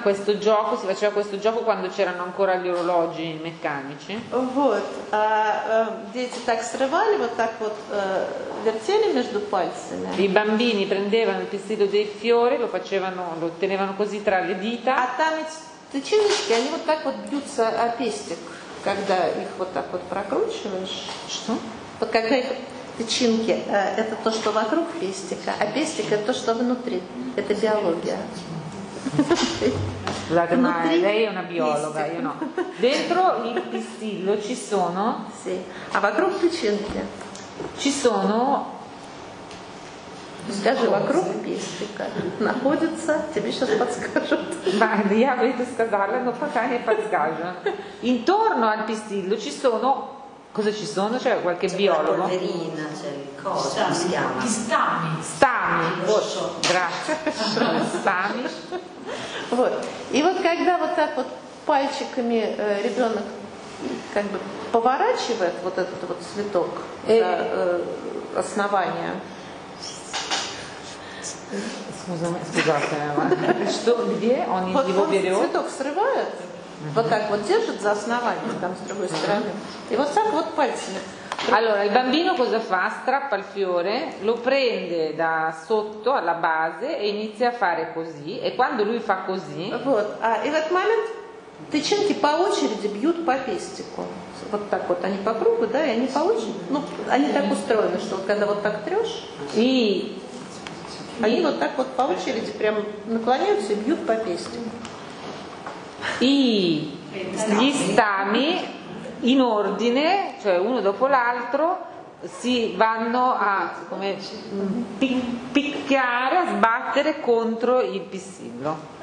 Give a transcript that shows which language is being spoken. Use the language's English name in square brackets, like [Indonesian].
[Italian] questo gioco, si faceva questo gioco quando c'erano ancora gli orologi meccanici. [Russian] Вот. Дети так срывали вот так вот вертели между пальцами. [Italian] I bambini prendevano il pistillo dei fiori, lo facevano, lo tenevano così tra le dita. [Russian] А там тычиночки, они вот так вот бьются о пестик, когда их вот так вот прокручиваешь. Что? Вот когда их. Тычинки – это то, что вокруг пестика, а пестик – это то, что внутри. Это биология. [Italian] Scusate, ma lei è una biologa, io no. Dentro il pistillo ci sono… [Russian] Sì, a вокруг тычинки. [Italian] Ci sono… [Russian] Скажи, вокруг пестика находится… Тебе сейчас подскажут. Ma я бы это сказала, но пока не подскажу. [Italian] Intorno al pistillo ci sono… Cosa ci sono? C'è qualche biologo? C'è la polverina, c'è il coso, si chiama? Stami. Stami. Grazie. Stami. [Russian] Вот. И вот когда вот так вот пальчиками ребенок как бы поворачивает вот этот вот цветок за основание. Скажите, что, где он его берет? Вот цветок срывает? Вот так вот держит за основание там с другой стороны. И вот так вот пальцами. [Italian] Allora, il bambino cosa fa? Strappa il fiore, lo prende da sotto alla base e inizia a fare così e quando lui fa così. [Russian] Вот. А и в этот момент Тычинки по очереди бьют по пестику. Вот так вот они по кругу, да, и они по очереди. Ну, они так устроены, что вот когда вот так трешь, и они вот так вот по очереди прям наклоняются и бьют по пестику. [Italian] И gli стами in ordine, cioè uno dopo l'altro, si vanno a come, picchiare, a sbattere contro il pistillo.